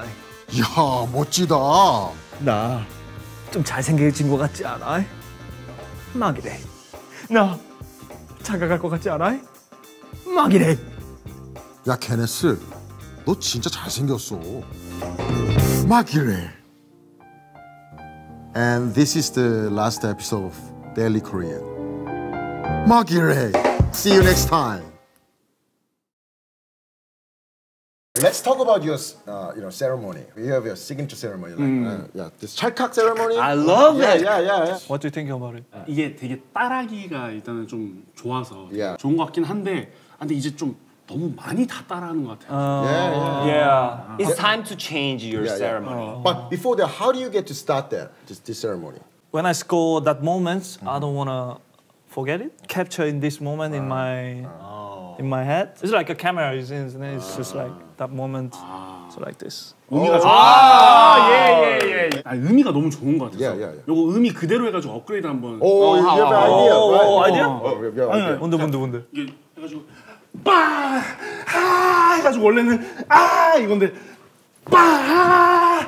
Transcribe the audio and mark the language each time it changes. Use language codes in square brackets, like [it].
[ko] 야, 멋지다. 나 좀 잘생겨진 것 같지 않아? 막이래. 나 장가갈 것 같지 않아? 막이래. 야 케네스, 너 진짜 잘생겼어. 막이래. [en] And this is the last episode of Daily Korean. [ko] 막이래. [en] See you next time. Let's talk about your, you know, ceremony. You have your signature ceremony, like, yeah, this 찰칵 ceremony. I love it. Yeah. What do you think about it? [ko] 이게 되게 따라하기가 일단은 좀 좋아서 yeah. 좋은 것 같긴 한데, 근데 이제 좀 너무 많이 다 따라하는 것 같아요. [en] Yeah. It's time to change your ceremony. But before that, how do you get to start that this ceremony? When I score that moment, I don't wanna forget it. Capture in this moment in my. In my head, it's like a camera, isn't it? It's just like that moment, so like this. [ko] 의미가 좋아. 예. 의미가 너무 좋은 것 같아서. 요거 의미 그대로 해가지고 업그레이드 한번. 오, 이게 뭐 아이디어? 아이디어? 뭔데? 이게 해가지고 빠, 하, 해가지고 원래는 아 이건데 빠, 하.